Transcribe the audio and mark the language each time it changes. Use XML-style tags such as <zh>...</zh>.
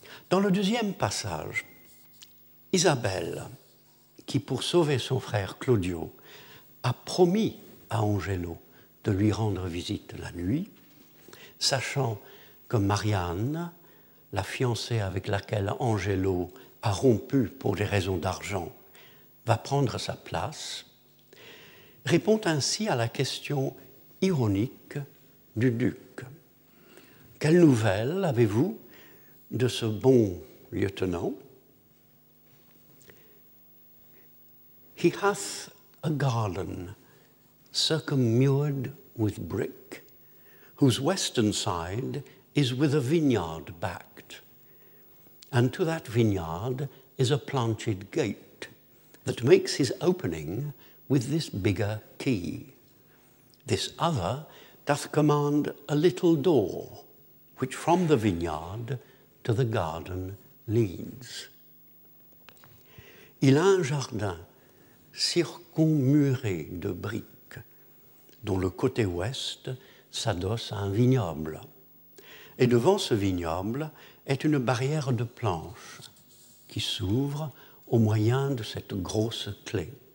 <fr>Dans le deuxième passage, Isabelle, qui pour sauver son frère Claudio, a promis à Angelo de lui rendre visite la nuit, sachant que Marianne, la fiancée avec laquelle Angelo a rompu pour des raisons d'argent, va prendre sa place, répond ainsi à la question ironique du duc. Quelle nouvelle avez-vous de ce bon lieutenant?</fr> <en>He hath a garden circummured with brick, whose western side is with a vineyard backed, and to that vineyard is a planted gate that makes his opening with this bigger key. This other doth command a little door, which from the vineyard to the garden leads.</en> <fr>Il a un jardin circummuré de briques, dont le côté ouest s'adosse à un vignoble. Et devant ce vignoble est une barrière de planches qui s'ouvre au moyen de cette grosse clé.</fr>